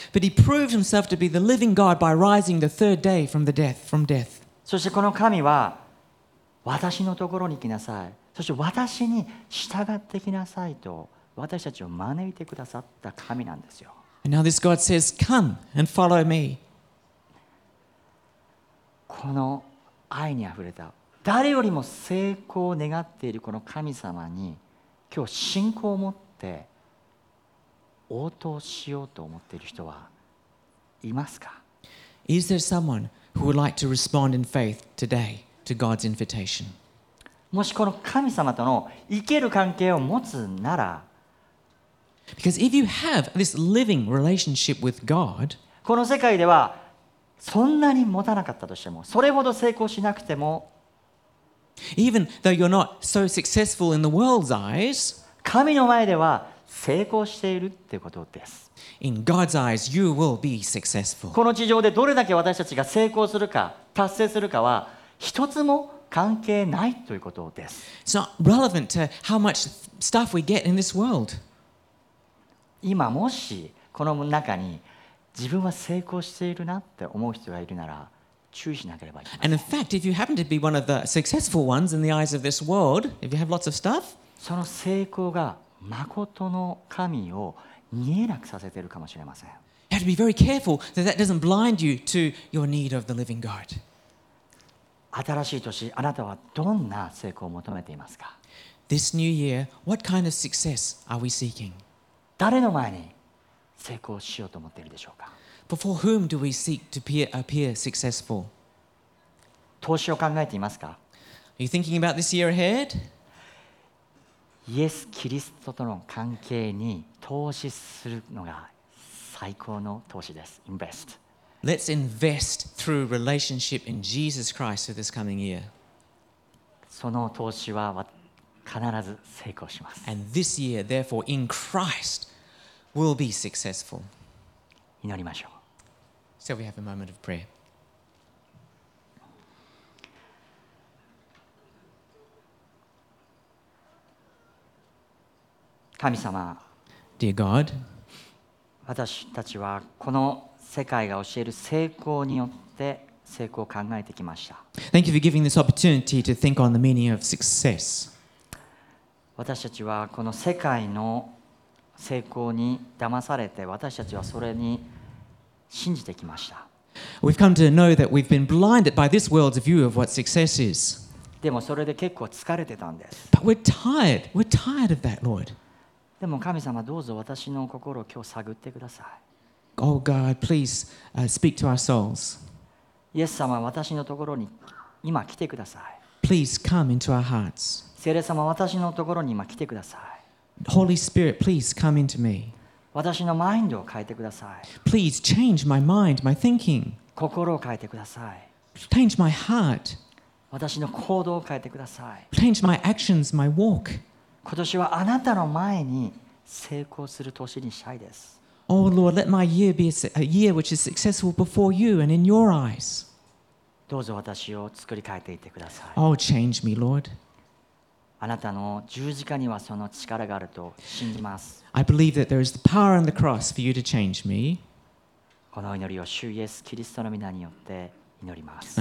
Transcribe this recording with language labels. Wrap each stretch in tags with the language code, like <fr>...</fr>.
<en>But He proved Himself to be the living God by rising the third day from the death, from death.</en> <ja>そしてこの神は、私のところに来なさい。そして私に従ってきなさいと私たちを招いてくださった神なんですよ。</ja> <en>And now this God says, "Come and follow me."</en> <ja>この愛にあふれた誰よりも成功を願っているこの神様に今日信仰を持って応答しようと思っている人はいますか?</ja> <en>Is there someone who would like to respond in faith today to God's invitation?</en> <ja>もしこの神様との生ける関係を持つなら</ja> <en>Because if you have this living relationship with God,</en> <ja>この世界ではそんなに持たなかったとしてもそれほど成功しなくても</ja> <en>Even though you're not so successful in the world's eyes,</en> <ja>神の前では成功しているってことです</ja> <en>In God's eyes, you will be successful.</en> <ja>この地上でどれだけ私たちが成功するか達成するかは一つも関係ないということです。</ja> <en>It's not relevant to how much stuff we get in this world.</en> <ja>今もしこの中に自分は成功しているなって思う人がいるなら注意しなければいけません。</ja> <en>And in fact, if you happen to be one of the successful ones in the eyes of this world, if you have lots of stuff,</en> <ja>その成功が真の神を見えなくさせているかもしれません。</ja> <en>You have to be very careful that that doesn't blind you to your need of the living God.</en> <ja>新しい年、あなたはどんな成功を求めていますか?</ja> <en>This new year, what kind of success are we seeking?</en> <ja>誰の前に成功しようと思っているでしょうか?</ja> <en>Before whom do we seek to appear successful?</en> <ja>投資を考えていますか?</ja> <en>Are you thinking about this year ahead?</en> <ja>イエス・キリストとの関係に投資するのが最高の投資です。</ja> <en>Invest. Let's invest through relationship in Jesus Christ for this coming year.</en> <ja>その投資は必ず成功します。</ja> <en>And this year, therefore, in Christ, will be successful.</en> <ja>祈りましょう。</ja> <en>So we have a moment of prayer.</en> <ja>神様、</ja> <en>Dear God,</en> <ja>私たちはこの世界が教える成功によって成功を考えてきました。</ja> <en>Thank you for giving this opportunity to think on the meaning of success.</en> <ja>私たちはこの世界の成功に騙されて、私たちはそれに信じてきました。</ja> <en>We've come to know that we've been blinded by this world's view of what success is.</en> <ja>でもそれで結構疲れてたんです。</ja> <en>But we're tired. We're tired of that, Lord.</en> <ja>でも神様どうぞ私の心を今日探ってください。</ja> <en>Oh God, please speak to our souls.</en> <ja>イエス様、私のところに今来てください。</ja> <en>Please come into our hearts.</en> <ja>聖霊様、私のところに今来てください。</ja> <en>Holy Spirit, please come into me.</en> <ja>私のマインドを変えてください。</ja> <en>Please change my mind, my thinking.</en> <ja>心を変えてください。</ja> <en>Change my heart.</en> <ja>私の行動を変えてください。</ja> <en>Change my actions, my walk.</en> <ja>今年はあなたの前に成功する年にしたいです。</ja> <en>Oh Lord, let my year be a year which is successful before you and in your eyes.</en> <ja>どうぞ私を作り変えていってください。</ja> <en>Oh, change me, Lord.</en> <ja>あなたの十字架にはその力があると信じます。</ja> <en>I believe that there is the power on the cross for you to change me.</en> <ja>この祈りを主イエス・キリストの御名によって祈ります。</ja>